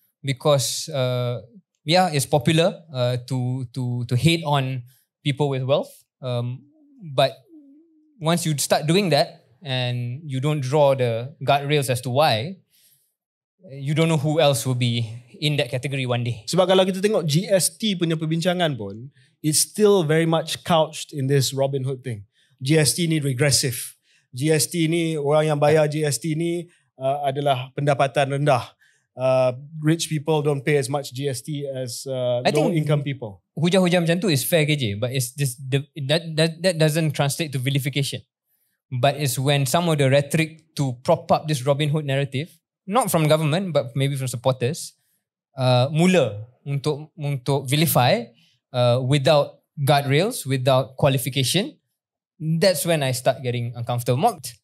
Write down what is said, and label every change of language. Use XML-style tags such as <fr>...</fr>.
<en>Because, it's popular to hate on people with wealth, but once you start doing that and you don't draw the guardrails as to why, you don't know who else will be in that category one day.</en> <ms>Sebab kalau kita tengok GST punya perbincangan pun,</ms> <en>it's still very much couched in this Robin Hood thing.</en> <ms>GST ni regressive. GST ni, orang yang bayar GST ni adalah pendapatan rendah.</ms> <en>Rich people don't pay as much GST as low-income people.</en> <ms>Hujah-hujah macam tu</ms> <en>is fair KJ, but it's just that doesn't translate to vilification. But it's when some of the rhetoric to prop up this Robin Hood narrative, not from government but maybe from supporters,</en> <ms>mula untuk</ms> <en>vilify without guardrails, without qualification, that's when I start getting uncomfortable.</en>